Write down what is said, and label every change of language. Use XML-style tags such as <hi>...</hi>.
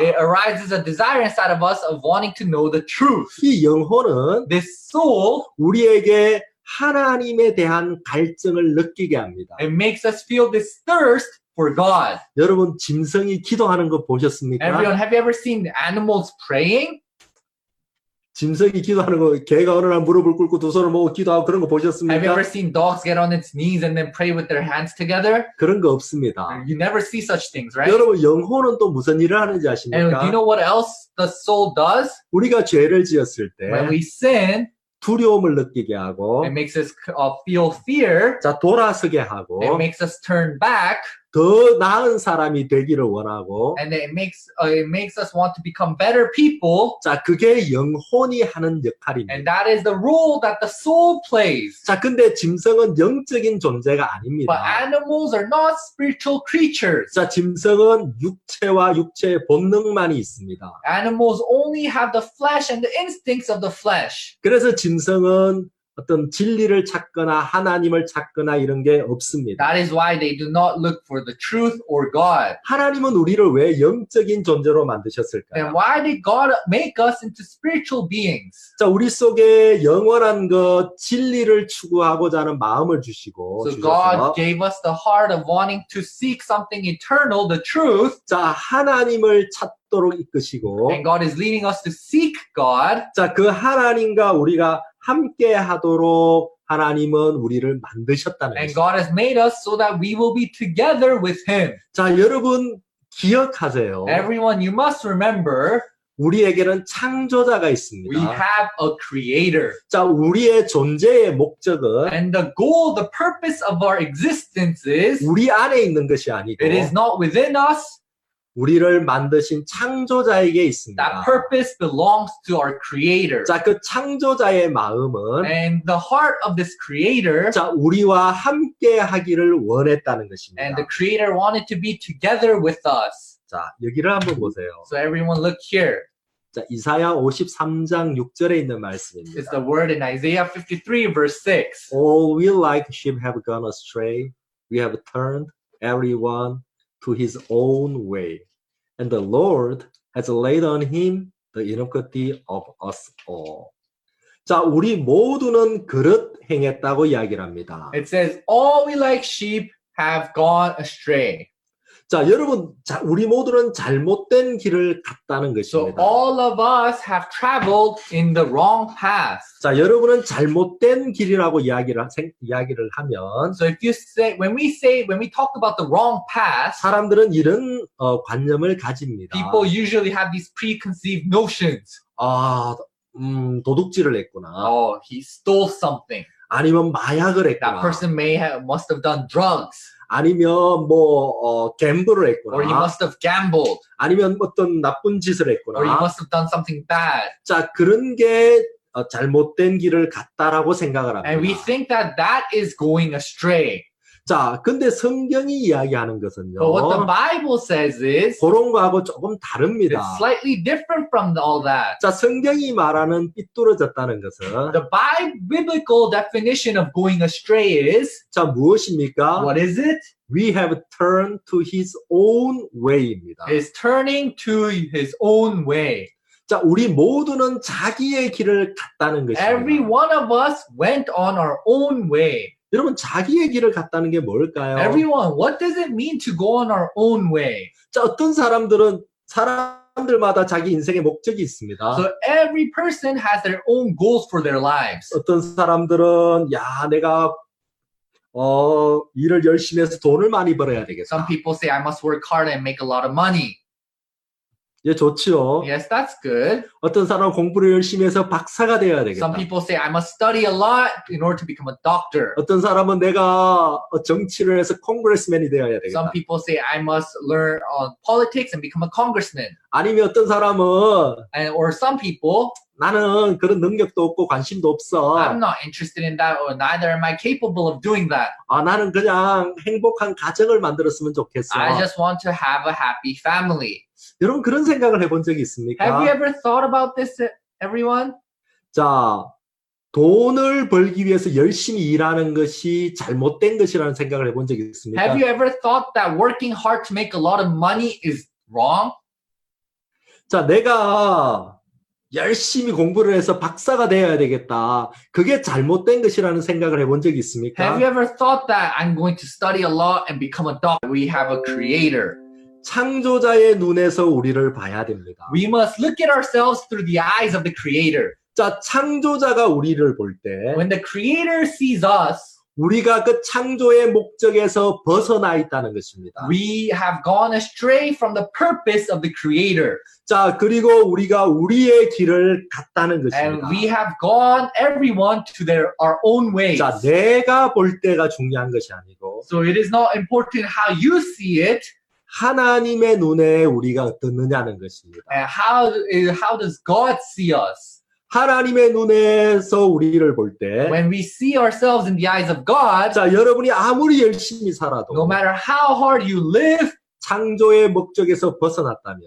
<en>It arises a desire inside of us of wanting to know the truth.</en> <ko>이 영혼은</ko> <en>the soul</en> <ko>우리에게 하나님에 대한 갈증을 느끼게 합니다.</ko> <en>It makes us feel this thirst For God.</en> <ko>여러분 짐승이 기도하는 거 보셨습니까?</ko> <en>Everyone, have you ever seen animals praying?</en> <ko>짐승이 기도하는 거, 개가 어느 날 무릎을 꿇고 두 손을 모으고 기도하고 그런 거 보셨습니까?</ko> <en>Have you ever seen dogs get on its knees and then pray with their hands together?</en> <ko>그런 거 없습니다.</ko> <en>You never see such things, right?</en> <ko>여러분, 영혼은 또 무슨 일을 하는지 아십니까?</ko> <en>And do you know what else the soul does?</en> <ko>우리가 죄를 지었을 때</ko> <en>When we sin,</en> <ko>두려움을 느끼게 하고</ko> <en>It makes us feel fear.</en> <ko>자, 돌아서게 하고</ko> <en>It makes us turn back.</en> <ko>더 나은 사람이 되기를 원하고</ko> <en>And it makes us want to become better people.</en> <ko>자, 그게 영혼이 하는 역할입니다.</ko> <en>And that is the role that the soul plays.</en> <ko>자, 근데 짐승은 영적인 존재가 아닙니다.</ko> <en>But animals are not spiritual creatures.</en> <ko>자, 짐승은 육체와 육체의 본능만이 있습니다.</ko> <en>Animals only have the flesh and the instincts of the flesh.</en> <ko>그래서 짐승은 어떤 진리를 찾거나 하나님을 찾거나 이런 게 없습니다.</ko> <en>That is why they do not look for the truth or God.</en> <ko>하나님은 우리를 왜 영적인 존재로 만드셨을까요?</ko> <en>Then why did God make us into spiritual beings?</en> <ko>자, 우리 속에 영원한 것, 진리를 추구하고자 하는 마음을 주시고 So 주셔서.</ko> <en>God gave us the heart of wanting to seek something eternal, the truth.</en> <ko>자, 하나님을 찾 이끄시고,</ko> <en>and God is leading us to seek God.</en> <ko>자, 그 하나님과 우리가 함께 하도록 하나님은 우리를 만드셨다는</ko> <en>And God has made us so that we will be together with Him.</en> <ko>자, 여러분 기억하세요.</ko> <en>Everyone, you must remember.</en> <ko>우리에게는 창조자가 있습니다.</ko> <en>We have a creator.</en> <ko>자, 우리의 존재의 목적은</ko> <en>And the goal, the purpose of our existence is</en> <ko>우리 안에 있는 것이 아니고</ko> <en>It is not within us.</en> <ko>우리를 만드신 창조자에게 있습니다.</ko> <en>That purpose belongs to our creator.</en> <ko>자, 그 창조자의 마음은</ko> <en>And the heart of this creator</en> <ko>자, 우리와 함께 하기를 원했다는 것입니다.</ko> <en>And the creator wanted to be together with us.</en> <ko>자, 여기를 한번 보세요.</ko> <en>So everyone look here.</en> <ko>자, 이사야 53장 6절에 있는 말씀입니다.</ko> <en>It's the word in Isaiah 53 verse 6. All we like sheep have gone astray. We have turned everyone to his own way. And the Lord has laid on him the iniquity of us all.</en> <ko>자, 우리 모두는 그릇 행했다고 이야기를 합니다.</ko> <en>It says, all we like sheep have gone astray.</en> <ko>자, 여러분, 자, 우리 모두는 잘못된 길을 갔다는 것입니다.</ko> <en>So all of us have traveled in the wrong path.</en> <ko>자, 여러분은 잘못된 길이라고 이야기를 하면</ko> <en>So if you say, when we talk about the wrong path,</en> <ko>사람들은 이런 관념을 가집니다.</ko> <en>People usually have these preconceived notions.</en> <ko>아, 도둑질을 했구나.</ko> <en>Oh, he stole something.</en> <ko>아니면 마약을 했구나.</ko> <en>That person must have done drugs.</en> <ko>아니면 뭐 갬블을 했구나.</ko> <en>Or he must have gambled.</en> <ko>아니면 어떤 나쁜 짓을 했구나.</ko> <en>Or he must have done something bad.</en> <ko>자, 그런 게 잘못된 길을 갔다라고 생각을 합니다.</ko> <en>And we think that that is going astray.</en> <ko>자, 근데 성경이 이야기하는 것은요.</ko> <en>But what the Bible says is</en> <ko>그런 거하고 조금 다릅니다.</ko> <en>It's slightly different from all that.</en> <ko>자, 성경이 말하는 삐뚤어졌다는 것은</ko> <en>The biblical definition of going astray is</en> <ko>자, 무엇입니까?</ko> <en>What is it? We have turned to his own way</en> <ko>입니다.</ko> <en>Is turning to his own way.</en> <ko>자, 우리 모두는 자기의 길을 갔다는 것입니다.</ko> <en>Every one of us went on our own way.</en> <ko>여러분 자기의 길을 갔다는 게 뭘까요?</ko> <en>Everyone, what does it mean to go on our own way?</en> <ko>자, 어떤 사람들은 사람들마다 자기 인생의 목적이 있습니다.</ko> <en>So every person has their own goals for their lives.</en> <ko>어떤 사람들은 야, 내가 일을 열심히 해서 돈을 많이 벌어야 되겠다.</ko> <en>Some people say I must work hard and make a lot of money.</en> <ko>예, 좋지요.</ko> <en>Yes, that's good.</en> <ko>어떤 사람 공부를 열심히 해서 박사가 되어야 되겠다.</ko> <en>Some people say I must study a lot in order to become a doctor.</en> <ko>어떤 사람은 내가 정치를 해서 congressman이 되어야 되겠다.</ko> <en>Some people say I must learn politics and become a congressman.</en> <ko>아니면 어떤 사람은</ko> <en>and, or some people</en> <ko>나는 그런 능력도 없고 관심도 없어.</ko> <en>I'm not interested in that or neither am I capable of doing that.</en> <ko>아, 나는 그냥 행복한 가정을 만들었으면 좋겠어.</ko> <en>I just want to have a happy family.</en> <ko>여러분 그런 생각을 해본 적이 있습니까?</ko> <en>Have you ever thought about this, everyone?</en> <ko>자, 돈을 벌기 위해서 열심히 일하는 것이 잘못된 것이라는 생각을 해본 적이 있습니까?</ko> <en>Have you ever thought that working hard to make a lot of money is wrong?</en> <ko>자, 내가 열심히 공부를 해서 박사가 되어야 되겠다. 그게 잘못된 것이라는 생각을 해본 적이 있습니까?</ko> <en>Have you ever thought that I'm going to study a lot and become a doctor? We have a creator.</en> <ko>창조자의 눈에서 우리를 봐야 됩니다.</ko> <en>We must look at ourselves through the eyes of the creator.</en> <ko>자, 창조자가 우리를 볼 때</ko> <en>when the creator sees us</en> <ko>우리가 그 창조의 목적에서 벗어나 있다는 것입니다.</ko> <en>We have gone astray from the purpose of the creator.</en> <ko>자, 그리고 우리가 우리의 길을 갔다는 것입니다.</ko> <en>And we have gone everyone to their our own ways.</en> <ko>자, 내가 볼 때가 중요한 것이 아니고</ko> <en>So it is not important how you see it.</en> <ko>하나님의 눈에 우리가 어떻느냐는 것입니다.</ko> <en>How does God see us?</en> <ko>하나님의 눈에서 우리를 볼 때</ko> <en>When we see ourselves in the eyes of God</en> <ko>자, 여러분이 아무리 열심히 살아도</ko> <en>No matter how hard you live</en> <ko>창조의 목적에서 벗어났다면</ko>